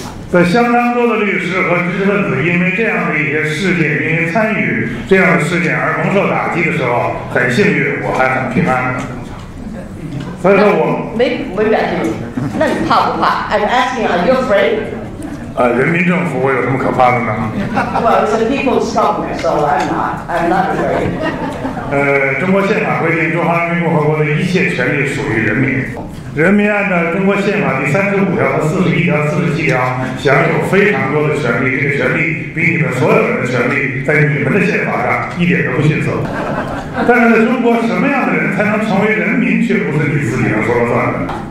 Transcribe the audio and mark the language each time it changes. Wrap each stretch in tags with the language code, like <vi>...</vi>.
<zh>在相当多的律师和知识分子因为这样的一些事件，因为参与这样的事件而蒙受打击的时候，很幸运，我还很平安。所以说我没感觉，那你怕不怕 ？</zh> <en>I'm asking, are you afraid?</en> <zh>人民政府，我有什么可怕的呢</zh> <en>？Well, it's the people's government, so I'm not afraid.</en> <zh>中国宪法规定，中华人民共和国的一切权利属于人民。人民按照中国宪法第35条和41条、47条，享有非常多的权利。这个权利比你们所有人的权利，在你们的宪法上一点都不逊色。但是在中国，什么样的人才能成为人民，却不是你自己能说了算的。</zh>